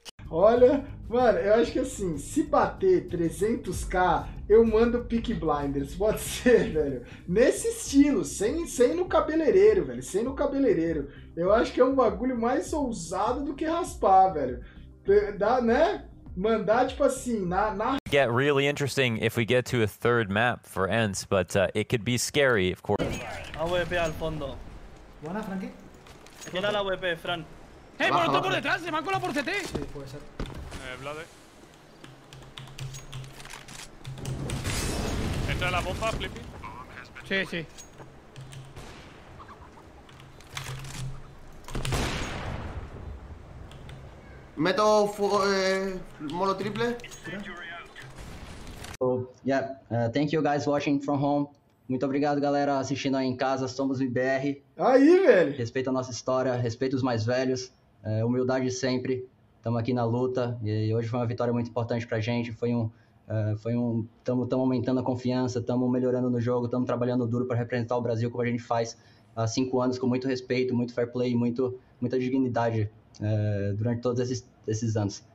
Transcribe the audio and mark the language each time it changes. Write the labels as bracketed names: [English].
[Portuguese] Olha, mano, eu acho que assim, se bater 300k, eu mando pick blinders, pode ser, velho. Nesse estilo, sem no cabeleireiro, velho, sem no cabeleireiro. Eu acho que é um bagulho mais ousado do que raspar, velho. Dá, né? Mandar, tipo assim, na... [English] Get really interesting if we get to a third map for ENCE, but it could be scary, of course. [Spanish] AWP al fondo. Buena, Frankie. Quién al AWP, Fran. Hey, por otro por detrás, se mancó la por CT. Sí, puede ser. Blade. Entra la bomba, Flippy. Sí, sí. Meto molo triple. [English] Oh, yeah, thank you guys watching from home. [Portuguese] Muito obrigado, galera, assistindo aí em casa. Somos o IBR. Aí, velho! Respeita a nossa história, respeita os mais velhos. Humildade sempre. estamos aqui na luta e hoje foi uma vitória muito importante para a gente. Estamos aumentando a confiança, estamos melhorando no jogo, estamos trabalhando duro para representar o Brasil como a gente faz há 5 anos, com muito respeito, muito fair play e muita dignidade durante todos esses anos.